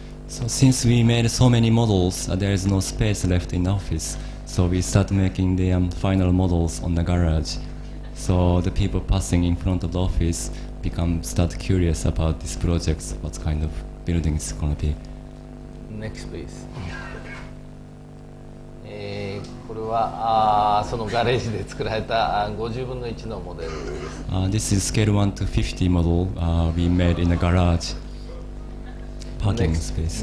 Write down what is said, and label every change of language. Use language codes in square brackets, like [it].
[en] So since we made so many models, there is no space left in the office. So we start making the final models on the garage. So the people passing in front of the office start curious about this project, what kind of building it's going to be. Next, please. [ja] これはそのガレージで作られた50分の1のモデルです。 [en] This is scale 1 to 50 model we made in a garage parking space.